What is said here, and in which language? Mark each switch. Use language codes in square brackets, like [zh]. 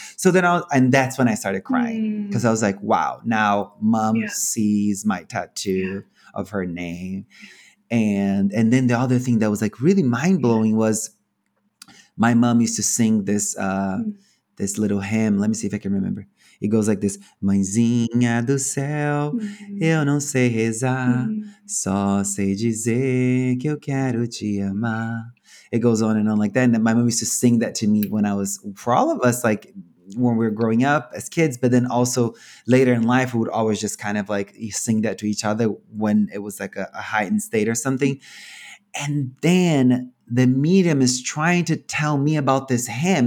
[en] So then that's when I started crying because I was like, wow, now mom sees my tattoo of her name. And then the other thing that was like really mind blowing was my mom used to sing this, this little hymn. Let me see if I can remember. It goes like this. [pt] Mãezinha do céu, eu não sei rezar, só sei dizer que eu quero te amar. [en] It goes on and on like that. And my mom used to sing that to me when I was, for all of us, like when we were growing up as kids, but then also later in life, we would always just kind of like sing that to each other when it was like a heightened state or something. And then the medium is trying to tell me about this hymn.